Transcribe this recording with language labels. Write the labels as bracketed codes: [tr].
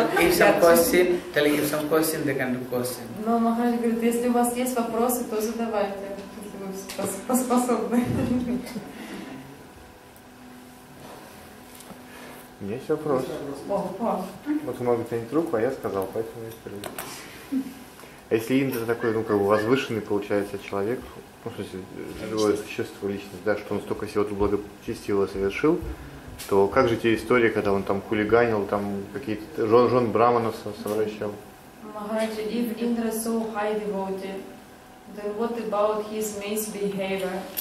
[en] Telling if some question, they can do question. [ru] Но Махарадж говорит, если у вас есть вопросы, то задавайте, если вы способны. Есть вопрос. Вот вы могли тянуть руку, а я сказал, поэтому я сперва. А если Индра такой, ну как бы возвышенный получается человек, ну в смысле живое существо, личность, да, что он столько всего тут благочестиво совершил, то как же те истории, когда он там хулиганил, там какие-то жен браманов совращал? [en] Махарадж, if Indra so high devotee, then what about his misbehavior?